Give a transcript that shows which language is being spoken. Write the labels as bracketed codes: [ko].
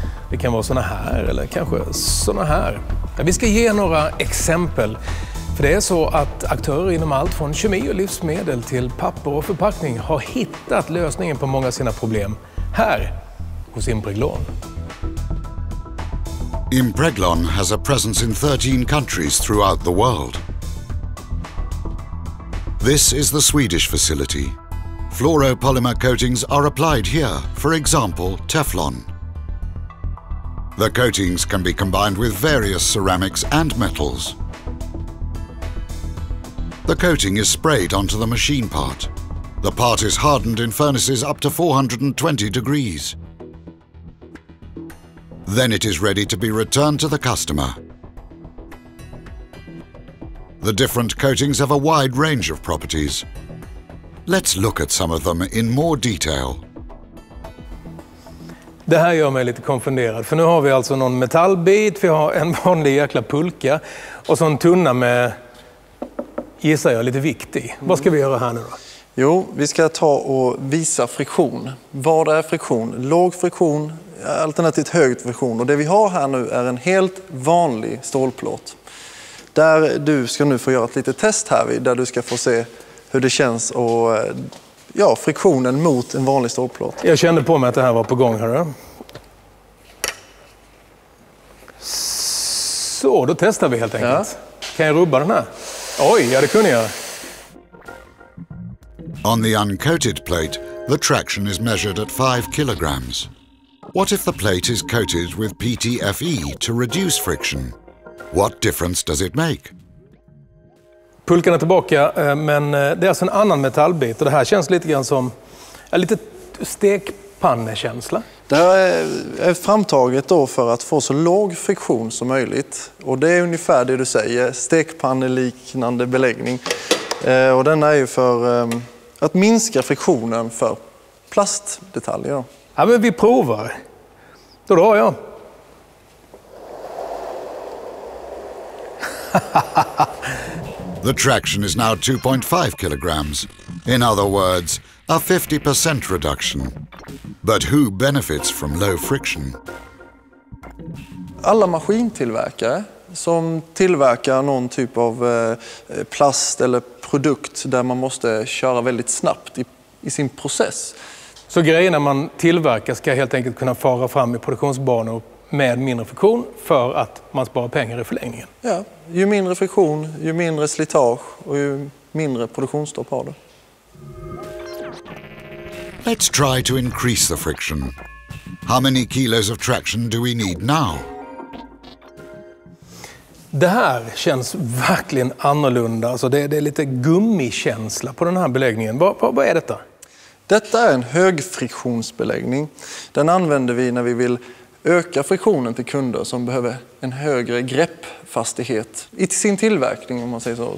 [sv] Det kan vara såna här eller kanske såna här. Vi ska ge några exempel. För det är så att aktörer inom allt från kemi och livsmedel till papper och förpackning har hittat lösningen på många sina problem här hos Impreglon. [en] Impreglon has a presence in 13 countries throughout the world. This is the Swedish facility. Fluoropolymer coatings are applied here, for example, Teflon. The coatings can be combined with various ceramics and metals. The coating is sprayed onto the machine part. The part is hardened in furnaces up to 420 degrees. Then it is ready to be returned to the customer. The different coatings have a wide range of properties. Let's look at some of them in more detail. [sv] Det här gör mig lite konfunderad, för nu har vi alltså någon metallbit, vi har en vanlig jäkla pulka och så en tunna med, gissar jag, lite viktig. Mm. Vad ska vi göra här nu då? Jo, vi ska ta och visa friktion. Vad är friktion? Låg friktion, alternativt hög friktion. Och det vi har här nu är en helt vanlig stålplåt. Där du ska nu få göra ett litet test här, där du ska få se hur det känns och ja, friktionen mot en vanlig stålplåt. Jag kände på mig att det här var på gång, hörru. Så, då testar vi helt enkelt. Ja. Kan jag rubba den här? Oj, ja det kunde jag. [en] On the uncoated plate, the traction is measured at 5 kilograms. What if the plate is coated with PTFE to reduce friction? What difference does it make? [sv] Pulkan är tillbaka, men det är alltså en annan metallbit och det här känns lite grann som en lite stekpannekänsla. Det här är framtaget då för att få så låg friktion som möjligt och det är ungefär det du säger, stekpanneliknande beläggning. Och den är ju för att minska friktionen för plastdetaljer. Ja, men vi provar. Då drar jag. [en] The traction is now 2.5 kilograms. In other words, a 50% reduction. But who benefits from low friction? [sv] Alla maskintillverkare som tillverkar någon typ av plast eller produkt där man måste köra väldigt snabbt i sin process. Så grejen när man tillverkar ska helt enkelt kunna fara fram i produktionsbanor med mindre friktion för att man sparar pengar i förlängningen. Ja, ju mindre friktion, ju mindre slitage och ju mindre produktionsstopp har du. [en] Let's try to increase the friction. How many kilos of traction do we need now? [sv] Det här känns verkligen annorlunda. Alltså det är lite gummikänsla på den här beläggningen. Vad är detta? Detta är en högfriktionsbeläggning. Den använder vi när vi vill öka friktionen till kunder som behöver en högre greppfasthet i sin tillverkning, om man säger så.